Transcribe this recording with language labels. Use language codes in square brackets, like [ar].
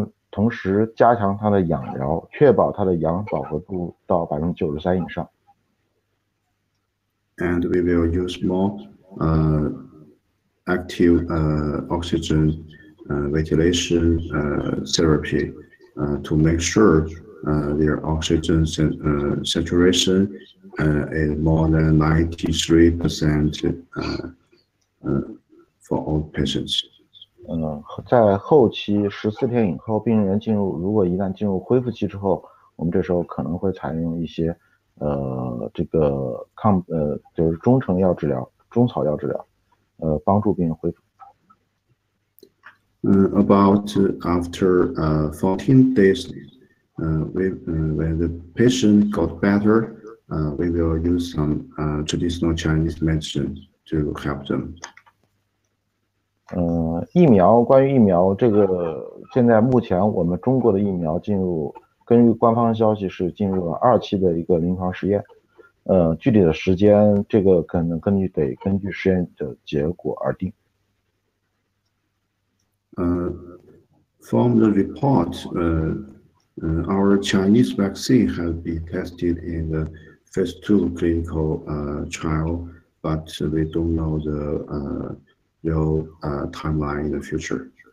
[zh] 同时加强他的养疗，确保他的氧饱和度到93%以上。 [en] And we will use more active oxygen ventilation therapy to make sure their oxygen saturation is more than 93% for all patients. [zh] 在后期14天以后，病人进入如果一旦进入恢复期之后，我们这时候可能会采用一些这个就是中成药治疗、中草药治疗，帮助病人恢复。 [en] About after 14 days, when the patient got better, we will use some traditional Chinese medicine to help them. [zh] 疫苗，关于疫苗这个，现在目前我们中国的疫苗进入，根据官方消息是进入了二期的一个临床实验，具体的时间这个可能根据实验的结果而定。 [en] From the report, our Chinese vaccine has been tested in the phase two clinical trial, but we don't know the timeline in the future.